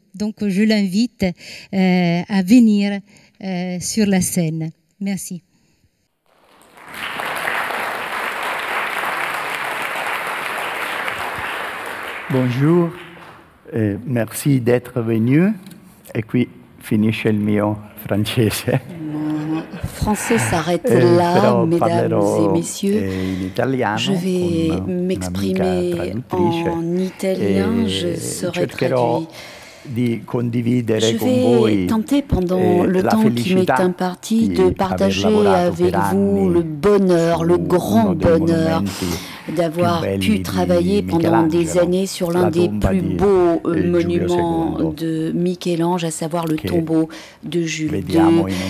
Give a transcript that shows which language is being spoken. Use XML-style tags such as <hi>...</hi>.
<fr>Donc je l'invite à venir sur la scène. Merci. Bonjour, merci d'être venu.</fr> <it>Et qui finisce il mio francese.</it> <fr>Français s'arrête là, mesdames et messieurs. Je vais m'exprimer en italien, je serai traduit. Je vais tenter pendant le temps qui m'est imparti de partager avec vous le bonheur, le grand bonheur d'avoir pu travailler pendant des années sur l'un des plus beaux monuments de Michel-Ange, à savoir le tombeau de Jules II.</fr>